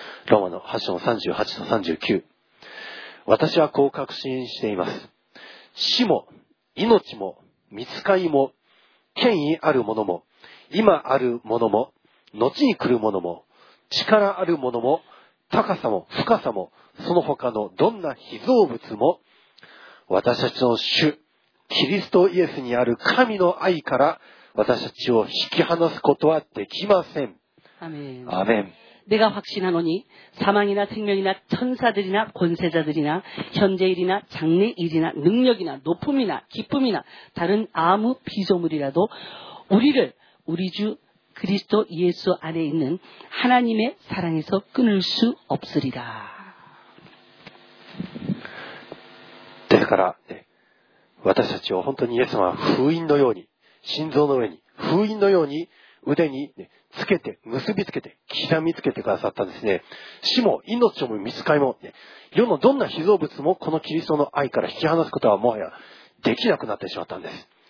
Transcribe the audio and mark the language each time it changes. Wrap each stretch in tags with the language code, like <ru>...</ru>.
<ja>ローマの8章38と39。私はこう確信しています。死も、命も、見つかりも、権威あるものも、今あるものも、後に来るものも、 力あるものも、高さも、深さも、その他のどんな被造物も、私たちの主、キリストイエスにある神の愛から、私たちを引き離すことはできません。アメン。アメン。</ja> <ko>내가 확신하노니 사망이나 생명이나 천사들이나 권세자들이나 현재일이나 장래일이나 능력이나 높음이나 기쁨이나 다른 아무 피조물이라도 우리를 우리 주 그리스도 예수 안에 있는 하나님의 사랑에서 끊을 수 없으리라.</ko> <ja>ですから、ね、私たちを本当にイエス様は封印のように、心臓の上に封印のように腕につけて結びつけて刻みつけてくださったんですね。死も命も見つかりも、ね、世のどんな被造物もこの、キリストの愛から引き離すことはもはやできなくなってしまったんです。</ja>